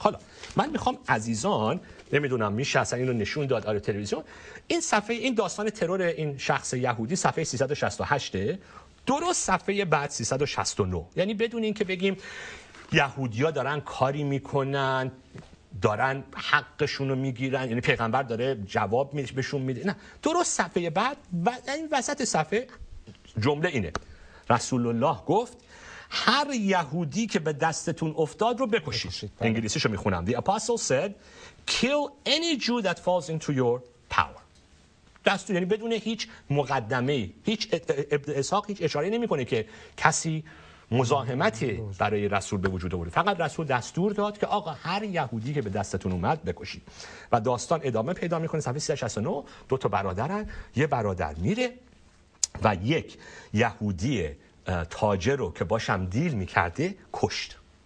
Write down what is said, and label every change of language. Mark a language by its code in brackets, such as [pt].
[fa] حالا من میخوام عزیزان، نمیدونم میشه اصلا این رو نشون داد آره تلویزیون، این صفحه، این داستان ترور این شخص یهودی صفحه 368 درست صفحه بعد 369، یعنی بدون این که بگیم یهودیا دارن کاری میکنن، دارن حقشون رو میگیرن، یعنی پیغمبر داره جواب بهشون میده، نه، درست صفحه بعد و این وسط صفحه جمله اینه: رسول الله گفت هر یهودی که به دستتون افتاد رو بکشید. انگلیسیشو میخونم: [en] The apostle said kill any Jew that falls into your power. [fa] دستور، یعنی بدون هیچ مقدمه، هیچ ابن اسحاق هیچ اشاره نمیکنه که کسی مزاحمتی برای رسول به وجود آورده، فقط رسول دستور داد که آقا هر یهودی که به دستتون اومد بکشید. و داستان ادامه پیدا میکنه صفحه 369، دو تا برادرن، یه برادر میره و یک یهودی تاجر رو که باشم دیل میکرده کشت.